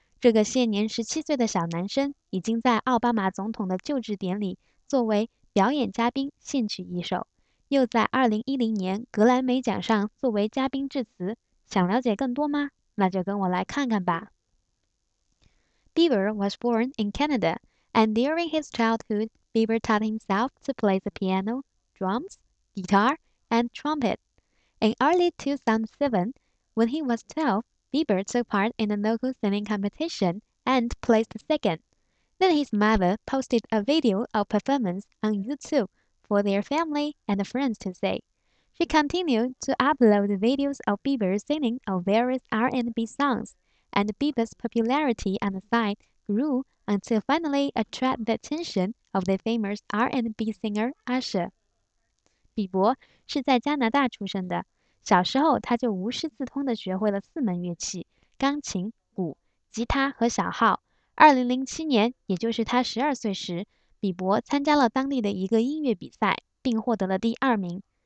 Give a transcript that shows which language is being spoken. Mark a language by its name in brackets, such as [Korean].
[Chinese] 这个现年17岁的小男生已经在奥巴马总统的就职典礼作为表演嘉宾献曲一首，又在2010年格莱美奖上作为嘉宾致辞。想了解更多吗？那就跟我来看看吧。 [English] Bieber was born in Canada, and during his childhood, Bieber taught himself to play the piano, drums, guitar, and trumpet. In early 2007, when he was 12,Bieber took part in a local singing competition and placed second. Then his mother posted a video of performance on YouTube for their family and friends to see. She continued to upload videos of Bieber singing of various R&B songs, and Bieber's popularity on the site grew until finally attracted the attention of the famous R&B singer Usher. [Chinese] 比伯是在加拿大出生的。小时候他就无师自通地学会了四门乐器，钢琴、鼓、吉他和小号。 2007年，也就是他12岁时，比伯参加了当地的一个音乐比赛，并获得了第二名。